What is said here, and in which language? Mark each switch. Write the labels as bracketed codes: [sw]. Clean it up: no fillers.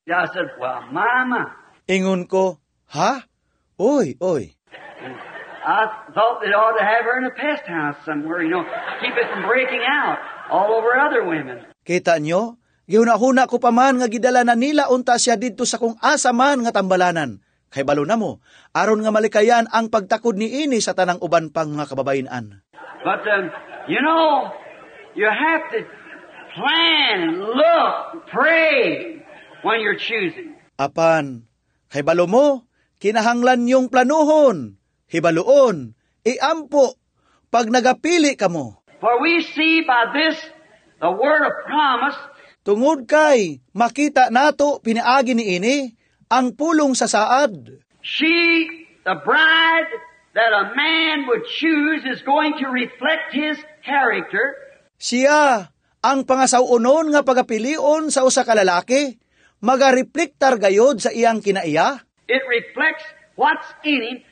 [en] Yeah, I said, well, mama. [ceb] Ingon ko, ha? Oy. [en] I thought they ought to have her in a pest house somewhere, you know, keep it from breaking out all over other women. [ceb] Kita nyo? Gihuna-huna ko pa man nga gidala na nila unta siya dito sa kung asa man nga tambalanan. Kay balo na mo, aron nga malikayan ang pagtakod ni ini sa tanang uban pang mga kababayenan. [en] But you know, you have to plan, look, pray when you're choosing. [ceb] Apan, kay balo mo, kinahanglan yung planuhon, hibaloon, iampo, pag nagapili ka mo. [en] For we see by this the word of promise. [ceb] Tungod kay makita nato pinaagi ni ini ang pulong sa saad. [en] She, the bride that a man would choose, is going to reflect his character. [ceb] Siya, ang pangasaw-unon nga pagapilion sa usa ka lalaki, magareflektar gayod sa iyang kinaiya. [en] It reflects what's in him.